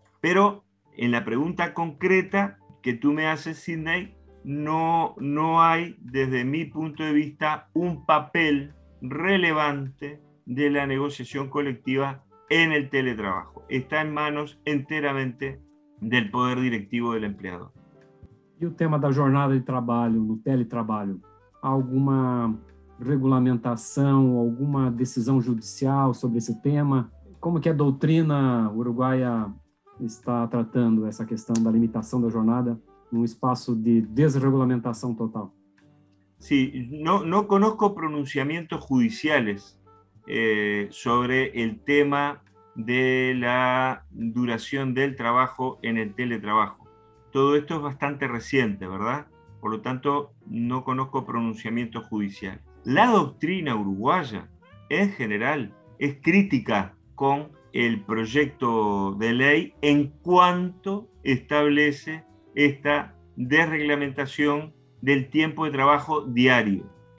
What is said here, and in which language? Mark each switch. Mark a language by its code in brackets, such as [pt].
[es] Pero en la pregunta concreta que tú me haces, Sidney, no hay, desde mi punto de vista, un papel relevante de la negociación colectiva en el teletrabajo. Está en manos enteramente del poder directivo del empleador. [pt] E o tema da jornada de trabalho no teletrabalho? Alguma regulamentação, alguma decisão judicial sobre esse tema? Como que a doutrina uruguaia está tratando essa questão da limitação da jornada num espaço de desregulamentação total? Sim, não conheço pronunciamentos judiciais sobre o tema da duração do trabalho no teletrabalho. [es] Todo esto es bastante reciente, ¿verdad? Por lo tanto, no conozco pronunciamiento judicial. La doctrina uruguaya, en general, es crítica con el proyecto de ley en cuanto establece esta desreglamentación del tiempo de trabajo diario.